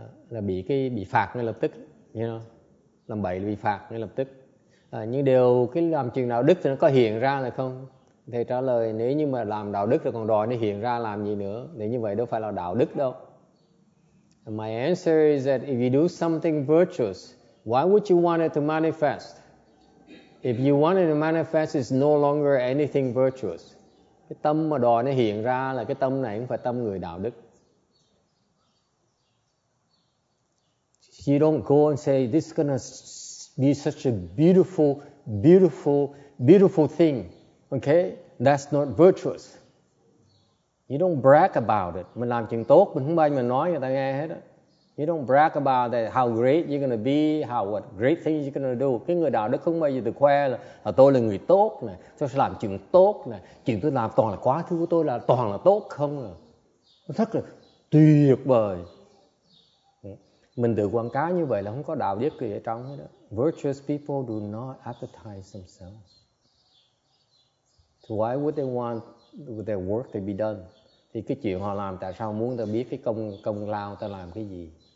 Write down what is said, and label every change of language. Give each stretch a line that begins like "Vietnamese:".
Vietnamese: Là bị phạt ngay lập tức, you know? Làm bậy là bị phạt ngay lập tức. Nhưng điều cái làm chuyện đạo đức thì nó có hiện ra là không? Thầy trả lời, nếu như mà làm đạo đức thì còn đòi nó hiện ra làm gì nữa? Nếu như vậy đâu phải là đạo đức đâu.
English: My answer is that if you do something virtuous, why would you want it to manifest? If you want it to manifest, it's no longer anything virtuous.
Vietnamese: Cái tâm mà đòi nó hiện ra là cái tâm này không phải tâm người đạo đức.
English: You don't go and say, this is going to be such a beautiful, beautiful, beautiful thing. Okay? That's not virtuous. You don't brag about it.
Vietnamese: Mình làm chuyện tốt, mình không bao giờ nói người ta nghe hết.
English: You don't brag about that, how great you're going to be, how what great things you're going to do.
Vietnamese: Cái người đạo đức không bao giờ tự khoe là tôi là người tốt này, tôi sẽ làm chuyện tốt này, chuyện tôi làm toàn là quá khứ của tôi là toàn là tốt không à. Thật là tuyệt vời. Mình tự quảng cáo như vậy là không có đạo đức gì ở trong hết đó.
English: Virtuous people do not advertise themselves. So why would they want their work to be done?
Vietnamese: Thì cái chuyện họ làm tại sao muốn ta biết cái công lao ta làm cái gì?